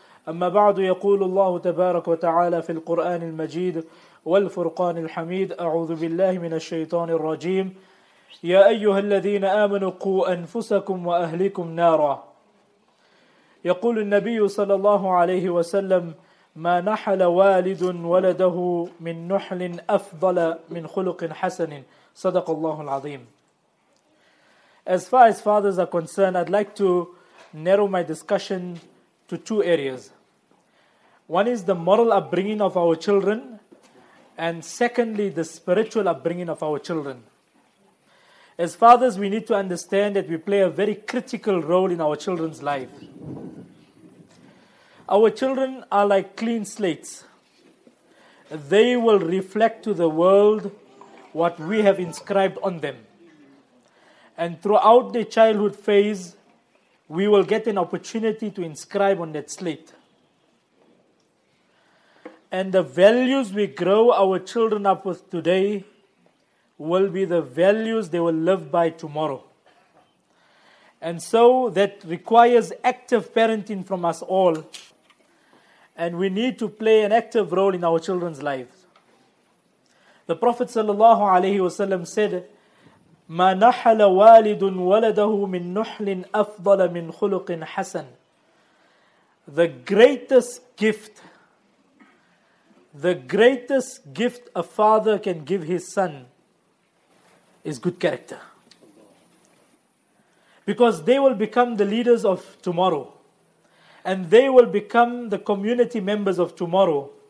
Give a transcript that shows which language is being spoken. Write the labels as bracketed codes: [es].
[ar] أما بعد يقول الله تبارك وتعالى في القرآن المجيد والفرقان الحميد أعوذ بالله من الشيطان الرجيم يا أيها الذين آمنوا قوا أنفسكم وأهلكم نارا يقول النبي صلى الله عليه وسلم ما نحل والد ولده من نحل أفضل من خلق حسن صدق الله العظيم. [en] As far as fathers are concerned, I'd like to narrow my discussion to two areas. One is the moral upbringing of our children, and secondly, the spiritual upbringing of our children. As fathers, we need to understand that we play a very critical role in our children's life. Our children are like clean slates. They will reflect to the world what we have inscribed on them. And throughout the childhood phase, we will get an opportunity to inscribe on that slate. And the values we grow our children up with today will be the values they will live by tomorrow. And so that requires active parenting from us all. And we need to play an active role in our children's lives. The Prophet sallallahu alaihi wasallam said, [ar] مَا نَحَلَ وَالِدٌ وَلَدَهُ مِن نُحْلٍ أَفْضَلَ مِن خُلُقٍ حَسَنٍ. [en] The greatest gift, the greatest gift a father can give his son is good character. Because they will become the leaders of tomorrow. And they will become the community members of tomorrow.